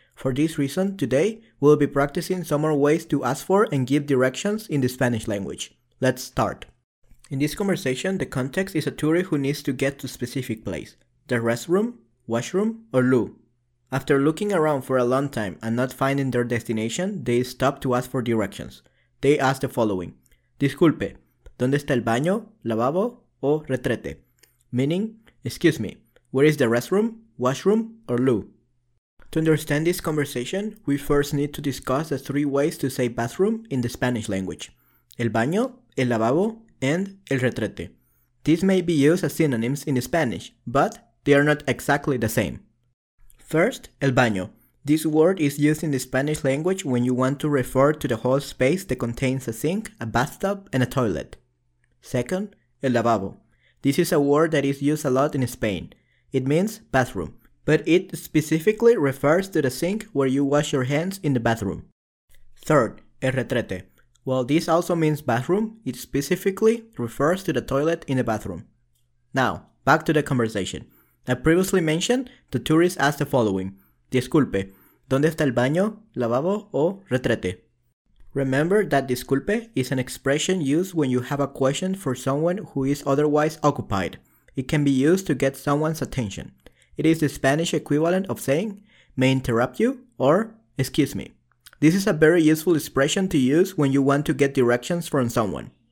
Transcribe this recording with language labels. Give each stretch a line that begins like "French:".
English: For this reason, today, we'll be practicing some more ways to ask for and give directions in the Spanish language. Let's start. In this conversation, the context is a tourist who needs to get to a specific place. The restroom, washroom, or loo. After looking around for a long time and not finding their destination, they stop to ask for directions. They ask the following.
Spanish: Disculpe, ¿dónde está el baño, lavabo, o retrete?
English: Meaning, excuse me, where is the restroom, washroom, or loo? To understand this conversation, we first need to discuss the three ways to say bathroom in the Spanish language. El baño, el lavabo, and el retrete. These may be used as synonyms in Spanish, but they are not exactly the same. First, el baño. This word is used in the Spanish language when you want to refer to the whole space that contains a sink, a bathtub, and a toilet. Second, el lavabo. This is a word that is used a lot in Spain. It means bathroom, but it specifically refers to the sink where you wash your hands in the bathroom. Third, el retrete. While this also means bathroom, it specifically refers to the toilet in the bathroom. Now, back to the conversation. I previously mentioned, the tourist asked the following.
Spanish: Disculpe, ¿dónde está el baño, lavabo, o retrete?
English: Remember that disculpe is an expression used when you have a question for someone who is otherwise occupied. It can be used to get someone's attention. It is the Spanish equivalent of saying, may interrupt you, or excuse me. This is a very useful expression to use when you want to get directions from someone.